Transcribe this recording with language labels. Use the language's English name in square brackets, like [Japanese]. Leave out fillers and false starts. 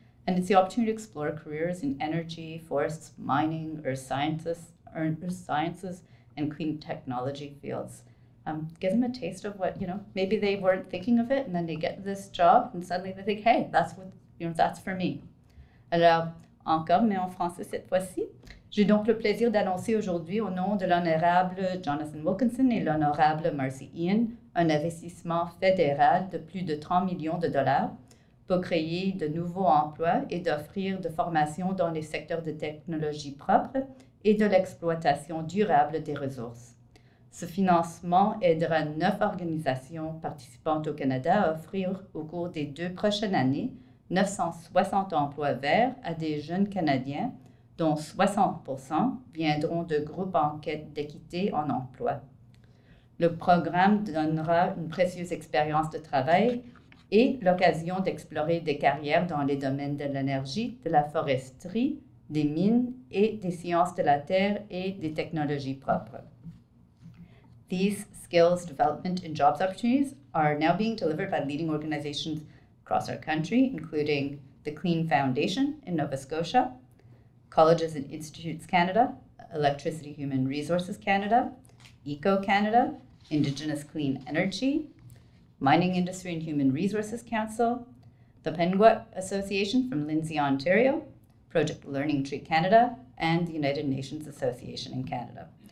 [English] And it's the opportunity to explore careers in energy, forests, mining, earth sciences, and clean technology fields. Give them a taste of what, you know, maybe they weren't thinking of it, and then they get this job, and suddenly they think, hey, that's what, you know, that's for me. [French] Alors, encore, mais en français cette fois-ci. J'ai donc le plaisir d'annoncer aujourd'hui au nom de l'honorable Jonathan Wilkinson et l'honorable Marci Ien un investissement fédéral de plus de 30 millions de dollars pour créer de nouveaux emplois et d'offrir de formations dans les secteurs de technologie propre et de l'exploitation durable des ressources. Ce financement aidera 9 organisations participantes au Canada à offrir au cours des 2 prochaines années 960 emplois verts à des jeunes Canadiens dont 60% viendront de groupes en quête d'équité en emploi. Le programme donnera une précieuse expérience de travail et l'occasion d'explorer des carrières dans les domaines de l'énergie, de la foresterie, des mines et des sciences de la terre et des technologies propres. [English] These skills development and jobs opportunities are now being delivered by leading organizations across our country, including the Clean Foundation in Nova Scotia, Colleges and Institutes Canada, Electricity Human Resources Canada, Eco Canada, Indigenous Clean Energy, Mining Industry and Human Resources Council, the Penguat Association from Lindsay, Ontario, Project Learning Tree Canada, and the United Nations Association in Canada.